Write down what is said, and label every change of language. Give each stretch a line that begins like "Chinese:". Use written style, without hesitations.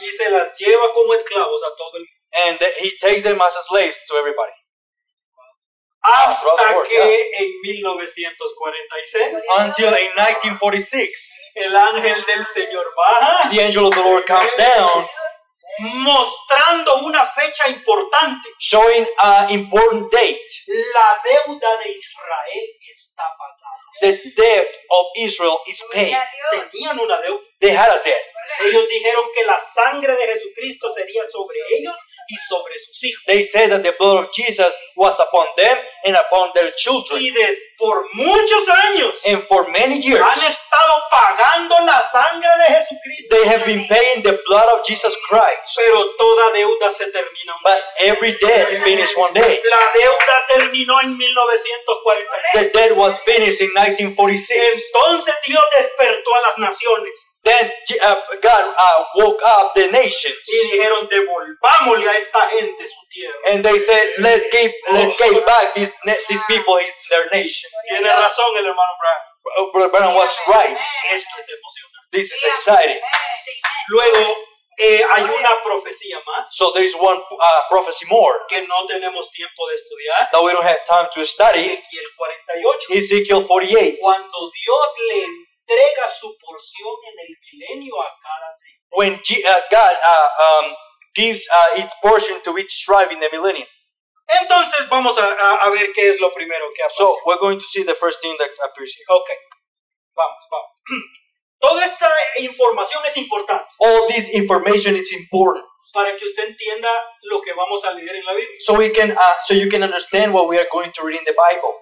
Spanish: Y se las lleva como esclavos a todo el mundo.
English: And he takes them as slaves to everybody.
Spanish: Hasta que en 1946,
English: until in 1946,
Spanish: el ángel del Señor baja,
English: the angel of the Lord comes down,
Spanish: mostrando una fecha importante,
English: showing an important date.
Spanish: La deuda de Israel está pagada.
English: The debt of Israel is paid.
Spanish: Tenían una deuda.
English: They had a debt.
Spanish: Ellos dijeron que la sangre de Jesucristo sería sobre ellos y sobre sus hijos.
English: They said that the blood of Jesus was upon them and upon their children.
Spanish: Y por muchos años,
English: and for many years,
Spanish: han estado pagando la sangre de Jesucristo.
English: They have been paying the blood of Jesus Christ.
Spanish: Pero toda deuda se termina.
English: But every debt finished one day.
Spanish: La deuda terminó en 1946.
English: The debt was finished in 1946.
Spanish: Entonces Dios despertó a las naciones.
English: Then God woke up the nations.
Spanish: Y dijeron, devolvámosle a esta gente su tierra.
English: And they said, let's give back these people their nation.
Spanish: Tiene razón el hermano Brown.
English: Brother Brown was right.
Spanish: Esto es emocionante.
English: This is exciting.
Spanish: Luego hay una profecía más.
English: So there is one prophecy more.
Spanish: Que no tenemos tiempo de estudiar.
English: That we don't have time to study.
Spanish: Ezequiel 48.
English: Ezekiel 48.
Spanish: Cuando Dios le entrega su porción en el milenio a cada tribu.
English: When God gives its portion to each tribe in the millennium.
Spanish: Entonces vamos a ver qué es lo primero que aparece.
English: So we're going to see the first thing that appears here.
Spanish: Okay. Vamos. Toda esta información es importante.
English: All this information is important.
Spanish: Para que usted entienda lo que vamos a leer en la Biblia.
English: So you can understand what we are going to read in the Bible.